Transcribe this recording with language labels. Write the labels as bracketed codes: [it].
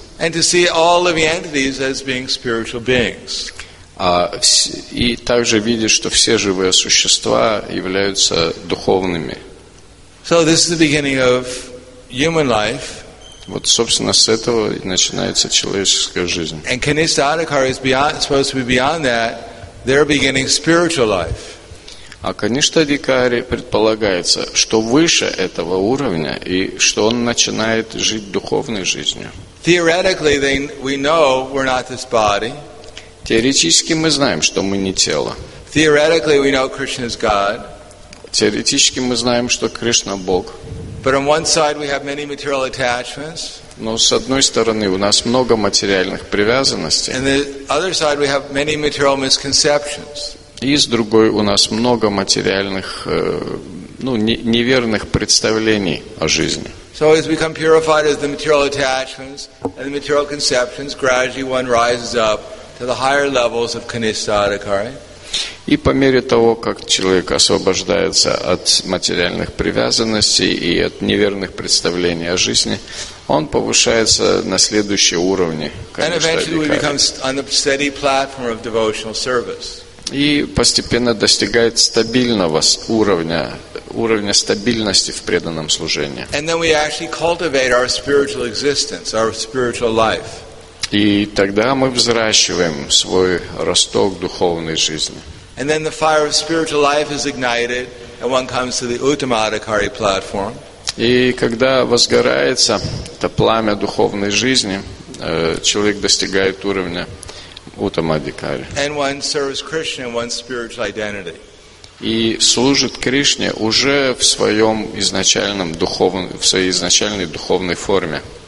[en] And to see all living entities as being spiritual beings. [ru] И также видит, что все живые существа являются духовными. [en] So this is the beginning of human life. [ru] Вот, собственно, с этого и начинается человеческая жизнь. [en] And Kanista Adhikari is supposed to be beyond that. They're beginning spiritual life. [ru] А Kanista Adhikari предполагается, что выше этого уровня и что он начинает жить духовной жизнью. [en] Theoretically, we know we're not this body. [ru] Теоретически мы знаем, что мы не тело. [en] Theoretically, we know Krishna is God. [ru] Теоретически мы знаем, что Кришна Бог. [en] But on one side we have many material attachments. [ru] Но с одной стороны у нас много материальных привязанностей. [en] And the other side we have many material misconceptions. [ru] И с другой у нас много материальных ну, неверных представлений о жизни. [en] So as we become purified as the material attachments and the material conceptions, gradually one rises up to the higher levels of kanishadaka. [ru] И по мере того, как человек освобождается от материальных привязанностей и от неверных представлений о жизни, он повышается на следующие уровни. [en] And eventually we become on the steady platform of devotional service. [ru] И постепенно достигает стабильного уровня стабильности в преданном служении. [en] And then we actually cultivate our spiritual existence, our spiritual life. [ru] И тогда мы взращиваем свой росток духовной жизни. [en] And then the fire of spiritual life is ignited, and one comes to the Uttamadhikari platform. [ru] И когда возгорается это пламя духовной жизни, человек достигает уровня Uttamadhikari. [en] And one serves Krishna in one's spiritual identity. [ru] И служит Кришне уже в своем изначальном в своей изначальной духовной форме.